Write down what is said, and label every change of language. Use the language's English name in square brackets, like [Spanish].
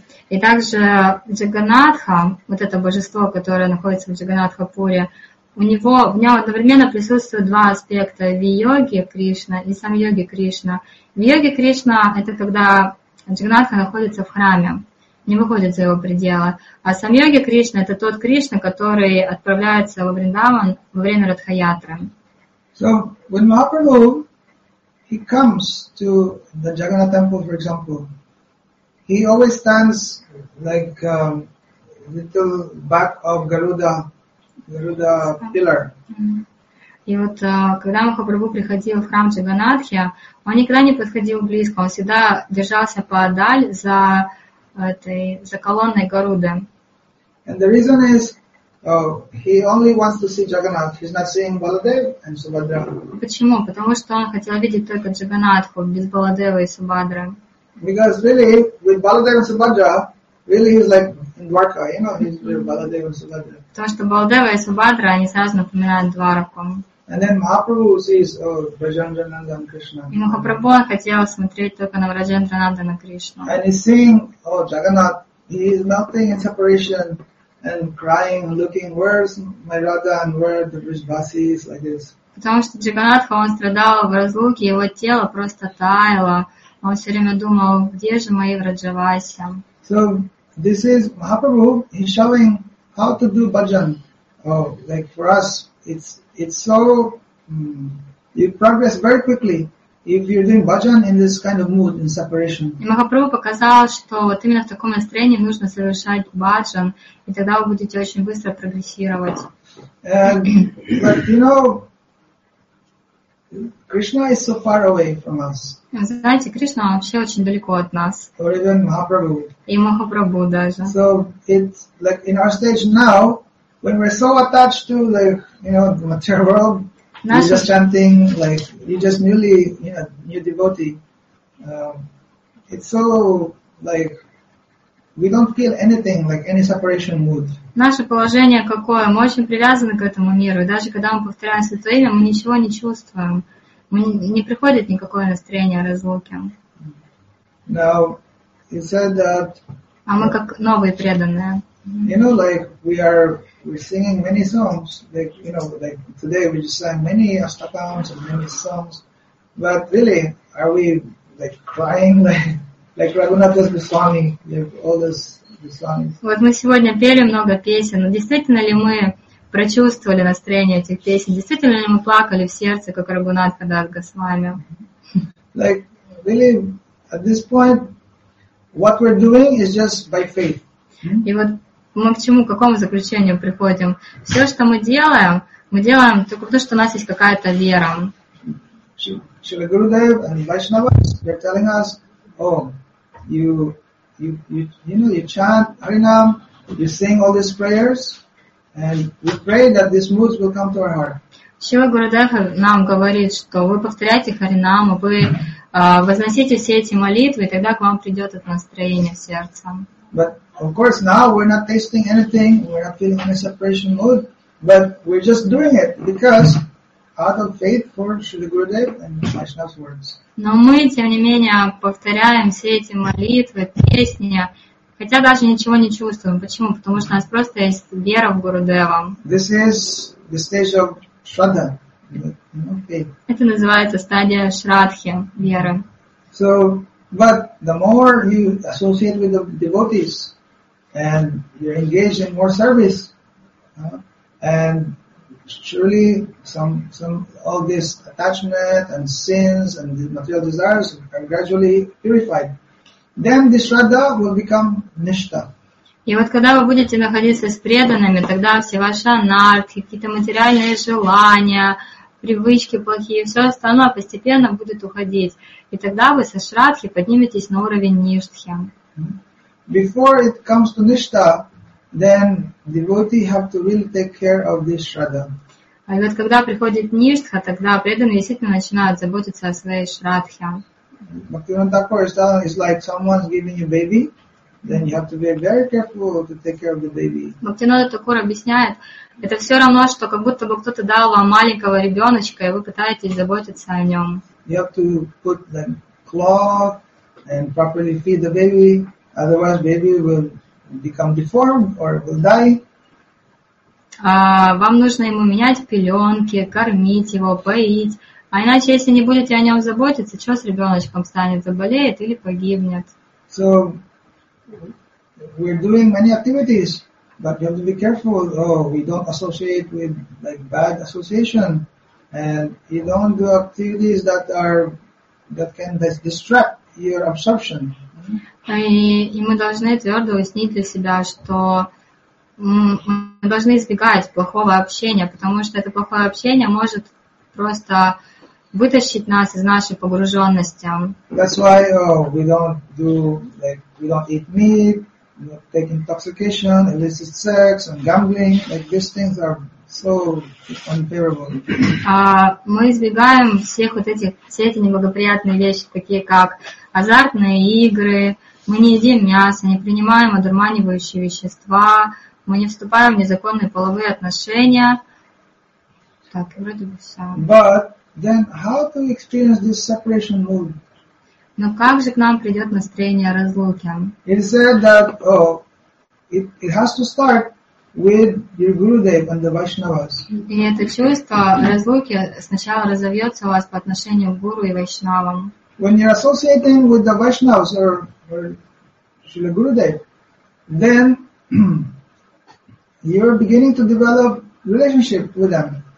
[Russian] И также Джаганнатха, вот это божество, которое находится в Джаганнатхапуре, в нем одновременно присутствуют два аспекта: Вийоги Кришна и Самьоги Кришна. Вийоги Кришна — это когда Джаганнатха находится в храме, не выходит за его пределы. А Самьоги Кришна — это тот Кришна, который отправляется во Вриндаван во время Радха-ятры. [English] So, when Mahaprabhu, he comes to the Jagannath temple, for example, he always stands like little back of Garuda pillar. [Russian] И вот когда Махапрабху приходил в храм Джаганнатхи, он никогда не подходил близко, он всегда держался подаль за колонной Гаруды. [English] And the reason is he only wants to see Jagannath. He's not seeing Baladev and Subhadra. [Russian] Почему? Потому что он хотел видеть только Джаганнатху без Баладевы и Субхадры. [English] Because really, with Baladeva and Subhadra, really he's like in Dwarka, you know, he's with Baladeva and Subhadra. [Russian] Потому что Баладева и Субхадра, они сразу напоминают Двараку. [English] And then Mahaprabhu sees Враджендранандана and Кришна. [Russian] И Махапрабху хотел смотреть только на Враджендранандана и Кришну. [English] And he's seeing, Jagannath, he is melting in separation and crying, looking, where's my Radha and where the Vrishvasi is, like this. [Russian] Потому что Джаганнатха, он страдал в разлуке, его тело просто таяло. Он все время думал, где же мои Враджаваси? [English] So this is Mahaprabhu, he's showing how to do bhajan. Like for us, it's so you progress very quickly if you're doing bhajan in this kind of mood, in separation. [Russian] И Махапрабху показал, что вот именно в таком настроении нужно совершать бхаджан, и тогда вы будете очень быстро прогрессировать. [English] But you know, Krishna is so far away from us. [Russian] Знаете, Кришна вообще очень далеко от нас. [English] Or even Mahaprabhu. [Russian] И Махапрабху даже. [English] So it's like in our stage now, when we're so attached to the, you know, the material world, you're just chanting, like, you're just newly, you know, new devotee. It's so, like, we don't feel anything, like any separation mood. [Russian] Наше положение какое? Мы очень привязаны к этому миру. И даже когда мы повторяем святое имя, мы ничего не чувствуем. Мы не приходит никакое настроение разлуки. [English] Now, you said that... [Russian] А мы как новые преданные. [English] You know, like, we're singing many songs. Like, you know, like, today we just sang many astakams and many songs. But really, are we, like, crying, like Raghunath was the Swami, like, all this... [Russian] Вот мы сегодня пели много песен, но действительно ли мы прочувствовали настроение этих песен? Действительно ли мы плакали в сердце, как Рагхунат Дас Госвами? [English] Like, really, at this point, what we're doing is just by faith. [Russian] И вот мы к чему, к какому заключению приходим? Все, что мы делаем только потому, что у нас есть какая-то вера. Шри Гурудев и Вайшнавас, [English] they're telling us, oh, you know, you chant Harinam, you sing all these prayers, and we pray that these moods will come to our heart. [Russian] Шила Гурудев нам говорит, что вы повторяете Харинаму, вы возносите все эти молитвы, и тогда к вам придет это настроение в сердце. [English] But of course now we're not tasting anything, we're not feeling any separation mood, but we're just doing it because out of faith for Шила Гурудев and Vaishnava's words. [Russian] Но мы, тем не менее, повторяем все эти молитвы, песни, хотя даже ничего не чувствуем. Почему? Потому что у нас просто есть вера в Гурудева. [English] This is the stage of Shraddha. Okay. [Russian] Это называется стадия Шрадхи, веры. [English] So, but the more you associate with the devotees and you're engaged in more service, and surely some all this attachment and sins and the material desires are gradually purified. Then the Shraddha will become Nishta. [Russian] И вот когда вы будете находиться с преданными, тогда все ваши анархи, какие-то материальные желания, привычки плохие, все остальное постепенно будет уходить. И тогда вы со Шрадхи подниметесь на уровень Ништхи. [English] Before it comes to Nishta, then devotee have to really take care of this Shraddha. [Russian] А вот когда приходит Ништха, тогда преданные действительно начинают заботиться о своей Шрадхе. [English] Bhaktivinoda Thakur is telling, it's like someone's giving you a baby, then you have to be very careful to take care of the baby. [Russian] Bhaktivinoda Thakur объясняет, это все равно, что как будто бы кто-то дал вам маленького ребеночка, и вы пытаетесь заботиться о нем. [English] You have to put the cloth and properly feed the baby, otherwise baby will become deformed or will die. [Russian] Вам нужно ему менять пеленки, кормить его, поить. А иначе, если не будете о нем заботиться, что с ребеночком станет? Заболеет или погибнет? [English] So, we're doing many activities, but you have to be careful. Oh, we don't associate with like bad association. And you don't do activities that can distract your absorption. [Russian] И мы должны твердо уяснить для себя, что мы должны избегать плохого общения, потому что это плохое общение может просто вытащить нас из нашей погруженности. [English] That's why we don't do, like, we don't eat meat, we don't take intoxication, illicit sex, and gambling. Like, these things are so unbearable. [Russian] Мы избегаем всех вот этих, все эти неблагоприятные вещи, такие как азартные игры, мы не едим мясо, не принимаем одурманивающие вещества, мы не вступаем в незаконные половые отношения. Так, вроде бы все. [English] But then how to experience this separation mood? [Russian] Но как же к нам придет настроение разлуки? [English] It said that it has to start with your Gurudev and the Vaishnavas. [Russian] И это чувство разлуки сначала разовьется у вас по отношению к Гуру и Вайшнавам. [English] When you're associating with the Vaishnavas or Shri Gurudev, then you're beginning to develop relationship with them.